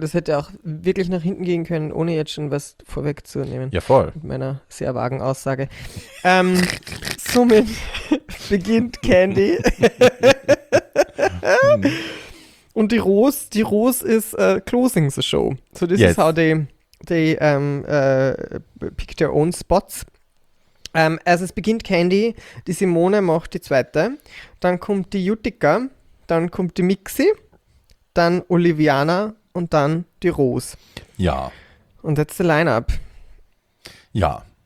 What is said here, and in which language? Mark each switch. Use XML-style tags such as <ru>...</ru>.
<de>Das hätte auch wirklich nach hinten gehen können, ohne jetzt schon was vorwegzunehmen. Ja, voll. Mit meiner sehr vagen Aussage. somit beginnt Candy. Und die Rose ist</de> <en>closing the show. So this is how they pick their own spots.</en> <de>Also es beginnt Candy, die Simone macht die zweite, dann kommt die Jutika, dann kommt die Mixi, dann Oliviana und dann die Rose. Ja. Und jetzt die Line-Up. Ja.</de>